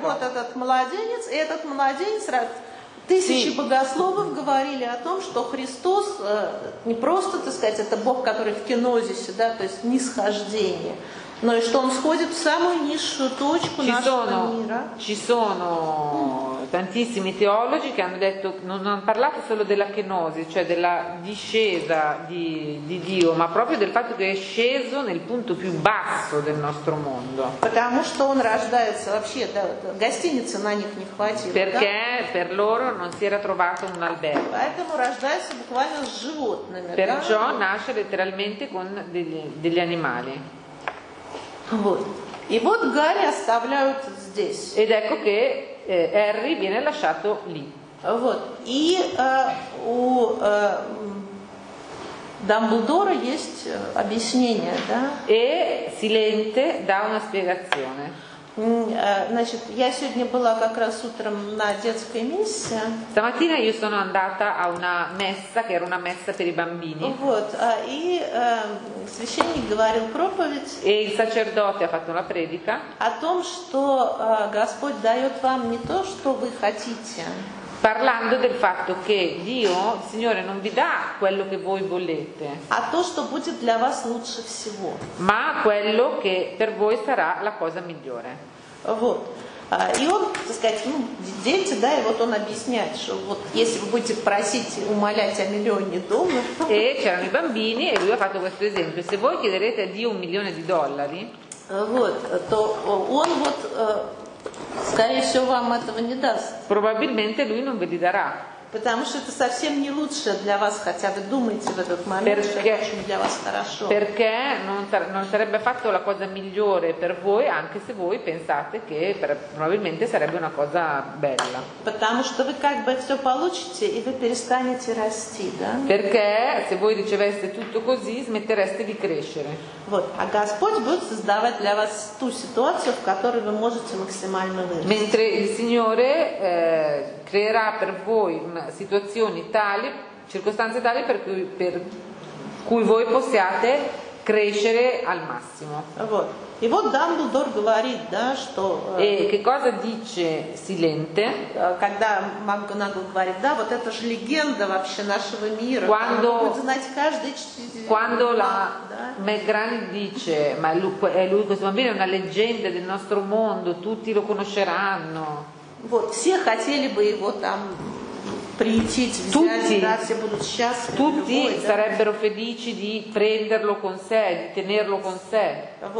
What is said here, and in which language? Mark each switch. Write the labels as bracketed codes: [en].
[ru] Вот этот младенец, и этот младенец раз. Тысячи богословов говорили о том, что Христос не просто, так сказать, это Бог, который в кенозисе, да, то есть нисхождение, но и что он сходит в самую низшую точку нашего мира. [it] Ci sono tantissimi teologi che hanno detto, non hanno parlato solo della kenosi, cioè della discesa di Dio, ma proprio del fatto che è sceso nel punto più basso del nostro mondo. [ru] Потому что он рождается вообще, да, гостиницы на них не хватило. [it] Perché Per loro non si era trovato un albergo. [ru] Поэтому рождается буквально с животными. [it] Perciò Nasce letteralmente con degli animali. [ru] Вот. И вот Гарри оставляют здесь. [it] Ed ecco che Harry viene lasciato lì. Вот. [ru] И у Дамблдора есть объяснение, да? [it] E Silente dà una spiegazione. [ru] Значит, я сегодня была как раз утром на детской мессе. [it] Stamattina io sono andata a una messa, che era una messa per i bambini. [ru] Вот. И священник говорил проповедь. [it] E il sacerdote ha fatto una predica. [ru] О том, что Господь дает вам не то, что вы хотите. [it] Parlando del fatto che Dio, il Signore, non vi dà quello che voi volete, [ru] a то, что будет для вас лучше всего. [it] Ma quello che per voi sarà la cosa migliore. [ru] Вот. И он, так сказать, ну, дети, да, и вот он объясняет, что вот если вы будете просить, умолять о миллионе долларов. [it] E c'erano i bambini e lui ha fatto questo esempio. Se voi chiederete a Dio un milione di dollari, [ru] вот, то он вот... Скорее всего, вам этого не даст. [it] Probabilmente lui non ve li darà. [ru] Потому что это совсем не лучше для вас, хотя вы думаете в этот момент, [it] perché, [ru] что для вас хорошо. [it] Perché non sarebbe affatto la cosa migliore per voi, anche se voi pensate che probabilmente sarebbe una cosa bella. [ru] Потому что вы как бы все получите и вы перестанете расти, да? [it] Perché se voi riceveste tutto così, smettereste di crescere. [ru] Вот. А Господь будет создавать для вас ту ситуацию, в которой вы можете максимально вырасти. [it] Mentre il Signore creerà per voi situazioni tali, circostanze tali per cui voi possiate crescere al massimo. [ru] E вот Дамблдор говорит, да, что. [it] E che cosa dice Silente? [ru] Когда Макгонагалл говорит, да, вот это же легенда вообще нашего мира. [it] Quando [ru] знать каждый. [it] Quando la McGranny dice, ma lui questo bambino è una leggenda del nostro mondo, tutti lo conosceranno. [ru] Вот все хотели бы его там. [it] Tutti sarebbero felici di prenderlo con sé, di tenerlo con sé.